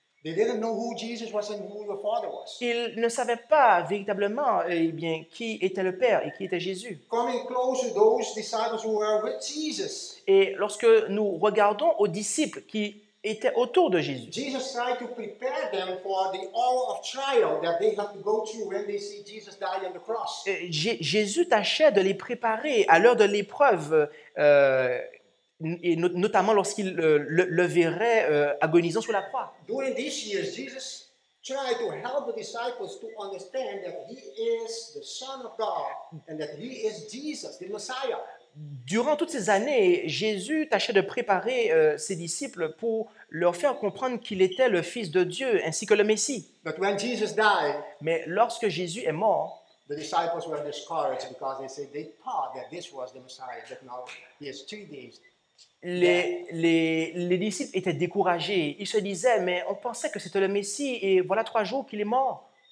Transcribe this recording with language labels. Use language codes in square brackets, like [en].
[en] They didn't know who Jesus was and who the Father was. [fr] Ils ne savaient pas véritablement, qui était le Père et qui était Jésus. [en] Coming close to those disciples who were with Jesus. [fr] Et lorsque nous regardons aux disciples qui étaient autour de Jésus. [en] Jesus tried to prepare them for the hour of trial that they have to go through when they see Jesus die on the cross. [fr] Jésus tâchait de les préparer à l'heure de l'épreuve. Et notamment lorsqu'il le verrait agonisant sur la croix. [en] During these years, Jesus tried to help the disciples to understand that he is the Son of God and that he is Jesus, the Messiah. [fr] Durant toutes ces années, Jésus tâchait de préparer ses disciples pour leur faire comprendre qu'il était le Fils de Dieu ainsi que le Messie. [en] But when Jesus died, [fr] mais lorsque Jésus est mort, [en] the disciples were discouraged because they said they thought that this was the Messiah, but now he is 3 days. [fr] Les disciples étaient découragés. Ils se disaient, mais on pensait que c'était le Messie et voilà 3 jours qu'il est mort.